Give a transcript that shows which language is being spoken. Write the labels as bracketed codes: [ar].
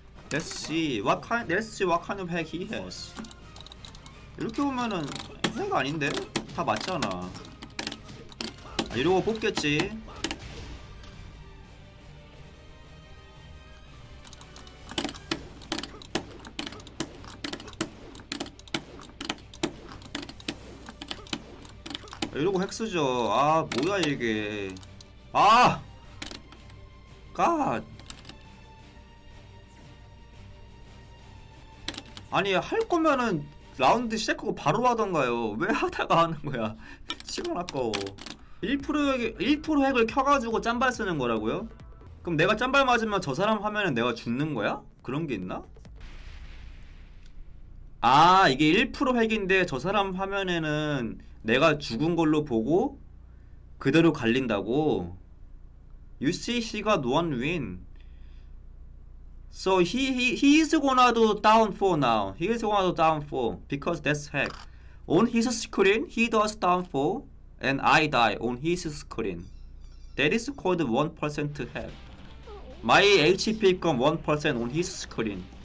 [en] Let's see what kind, let's see what kind of hack he has. [ko] 이렇게 보면은 핵 아닌데? 다 맞잖아. 이러고 뽑겠지. 이러고 핵쓰죠. 아 뭐야 이게. 아! 갓! 아니 할 거면은 라운드 시작하고 바로 하던가요. 왜 하다가 하는 거야. 시간 아까워. 1% 핵을 켜가지고 짬발 쓰는 거라고요? 그럼 내가 짬발 맞으면 저 사람 하면은 내가 죽는 거야? 그런 게 있나? 아 이게 1% 핵인데 저 사람 화면에는 내가 죽은 걸로 보고 그대로 갈린다고. [en] UCC가 one win. So he is gonna do down 4 now. He is gonna do down 4 because that's hack. On his screen he does down 4 and I die on his screen. That is called 1% hack. My HP become 1% on his screen.